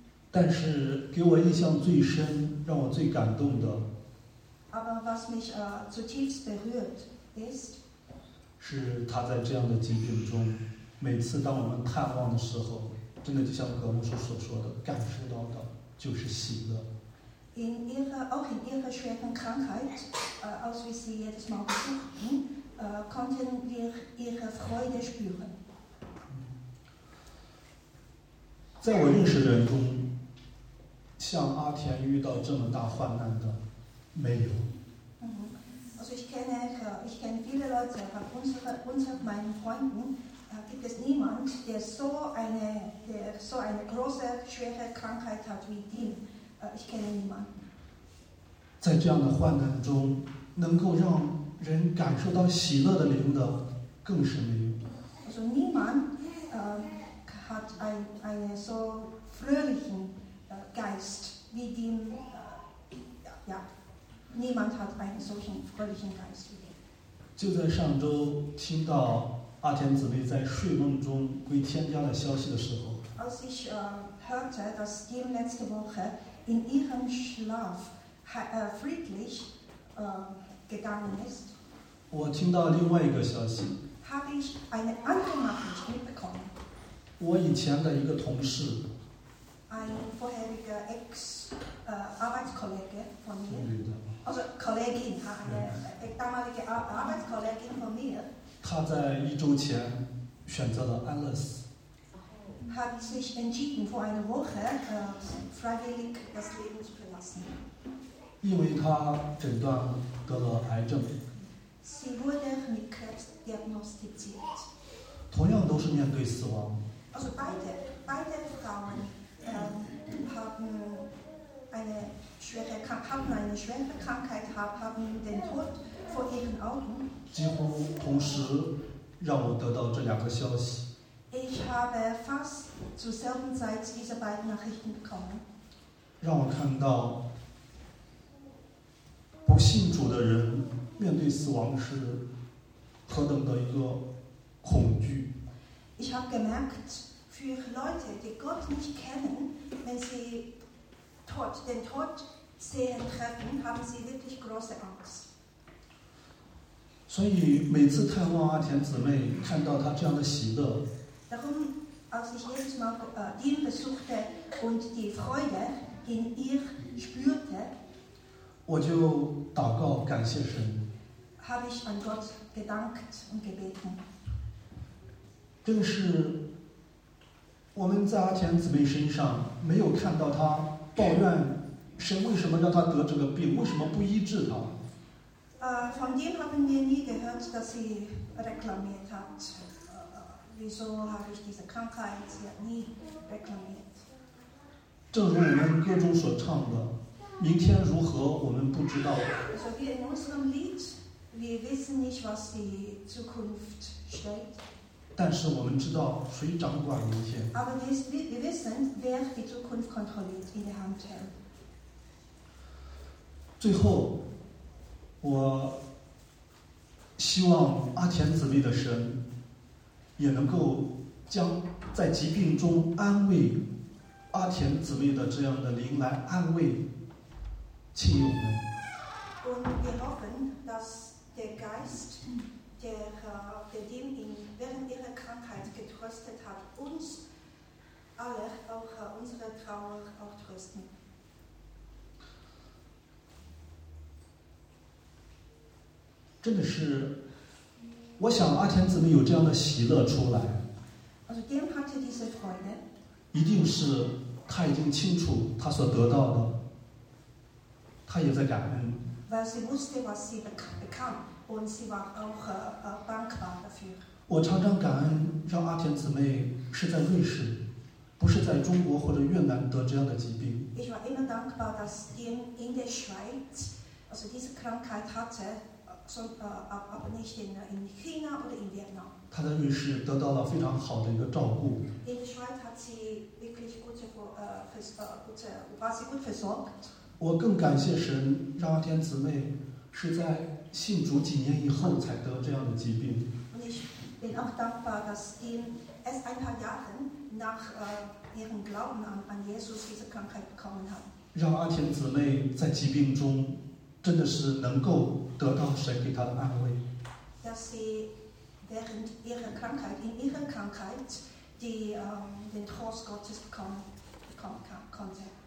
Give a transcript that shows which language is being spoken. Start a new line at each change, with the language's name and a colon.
Chinese: 但是给我印象最深，让我最感动的。
German: Aber was mich zutiefst berührt ist，
Chinese: 是他在这样的情景中，每次当我们探望的时候，真的就像葛牧师所说的，感受到的。就是喜乐。
German: In ihrer, auch in ihrer schweren Krankheit, als wir sie jedes Mal besuchten, konnten wir ihre Freude spüren.
Chinese: 在我认识的人中，像阿田遇到这么大患难的没有。
German: Also ich kenne viele Leute, unter meinen Freunden, gibt es niemand, der so eine große, schwere Krankheit hat wie Dean. Ich kenne niemanden.
Chinese: 在这样的患难中，能够让人感受到喜乐的灵的，更是没有。
German: Also niemand hat einen so fröhlichen Geist wie Dean. Niemand hat einen solchen fröhlichen Geist wie Dean.
Chinese: 就在上周听到阿田姊妹在睡梦中归天家的消息的时候，
German: Als ich hörte, dass Dean letzte Woche in ihrem Schlaf friedlich gegangen ist,
Chinese: 我听到另外一个消息，
German: habe ich eine andere Nachricht mitbekommen.
Chinese: 我以前的一个同事，
German: ein vorheriger Ex-Arbeitskollege von mir, also Kollegin, eine damalige Arbeitskollegin von mir.
Chinese: 他在一周前选择了安乐死。
German: Hat sich entschieden vor einer Woche freiwillig das Leben zu verlassen.
Chinese: 因为他诊断得了癌症。
German: Sie wurde mit Krebs diagnostiziert.
Chinese: 同样都是面对死亡。
German: Also beide Frauen haben eine schwere Krankheit, haben den Tod vor ihren Augen.
Chinese: 几乎同时让我得到这两个消息。
German: Ich habe fast zur selben Zeit diese beiden Nachrichten bekommen.
Chinese: 让我看到不信主的人面对死亡是何等的一个恐惧。
German: Ich habe gemerkt, für Leute, die Gott nicht kennen, wenn sie den Tod sehen treffen, haben sie wirklich große Angst.
Chinese: 所以每次探望阿田姊妹，看到她这样的喜乐。
German: Darum, als ich jedes Mal ihn besuchte und die Freude in ihr spürte,
Chinese: 我就祷告感谢神。
German: Habe ich an Gott gedankt und gebeten.
Chinese: 正是我们在阿田姊妹身上没有看到她抱怨神为什么让她得这个病，为什么不医治她。
German: Von dem haben wir nie gehört, dass sie reklamiert hat. Wieso habe ich diese Krankheit? Sie hat nie reklamiert.
Chinese: 正如我们歌中所唱的，明天如何我们不知道。
German: Also wie in unserem Lied, wir wissen nicht, was die Zukunft stellt.
Chinese: 但是我们知道谁掌管明天。
German: Aber wir wissen, wer die Zukunft kontrolliert in der Hand hält.
Chinese: 最后。我希望阿田姊妹的神也能够将在疾病中安慰阿田姊妹的这样的灵来安慰亲友们。
German: Und wir hoffen, dass der Geist, der dem ihn während ihrer Krankheit getröstet hat, uns alle, auch unsere Trauer, auch trösten. Also dem hatte diese Freude.
Chinese: 一定是他已经清楚他所得到的 他也在感恩
German: Weil sie wusste, was sie bekam, und sie war auch dankbar dafür.
Chinese: 我常常感恩让阿田姊妹是在瑞士 不是在中国或者越南得这样的疾病。
German: Ich war immer dankbar, dass sie in der Schweiz also diese Krankheit hatte, aber nicht in China oder in Vietnam.
Chinese: 他在瑞士得到了非常好的一个照顾。
German: In der Schweiz hat sie wirklich gut versorgt.
Chinese: 我更感谢神让阿田姊妹是在信主几年以后才得这样的疾病。
German: Und ich bin auch dankbar, dass sie erst ein paar Jahre nach ihrem Glauben an Jesus diese Krankheit bekommen hat.
Chinese: 让阿田姊妹在疾病中 真的是能够得到神给他的安慰。
German: Dass sie während ihrer Krankheit, in ihrer Krankheit, den Trost Gottes bekommen konnte.